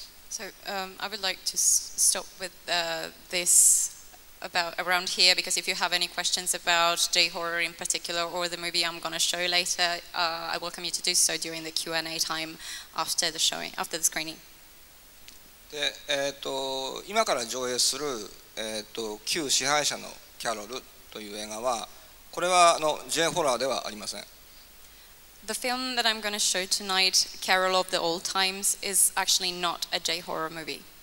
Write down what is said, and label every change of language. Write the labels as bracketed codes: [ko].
[en] So, I would like to stop with this about around here because if you have any questions about J horror in particular or the movie I'm going to show later, I welcome you to do so during the Q&A time after the showing, after the screening. [ja] で今から上映する、旧支配者のキャロルという映画は、これはJホラーではありません。 [en] The film that I'm going to show tonight, Carol of the Old Times, is actually not a J horror movie.